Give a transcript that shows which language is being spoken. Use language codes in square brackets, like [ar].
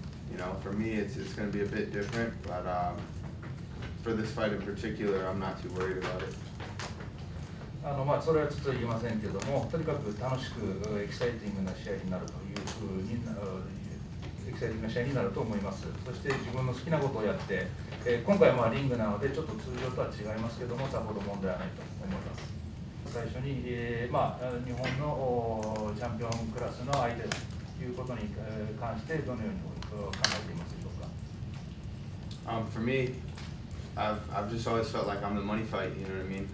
[en] You know, for me, it's going to be a bit different, but for this fight in particular, I'm not too worried about it. [ja] まあ、それはちょっと言いませんけども、とにかく楽しく、エキサイティングな試合になるというふうに、エキサイティングな試合になると思います。そして自分の好きなことをやって、今回はまあリングなので、ちょっと通常とは違いますけども、さほど問題はないと思います。最初に、まあ、日本のチャンピオンクラスの相手ということに関して、どのように思いますか。 [en] For me, I've just always felt like I'm the money fight, you know what I mean?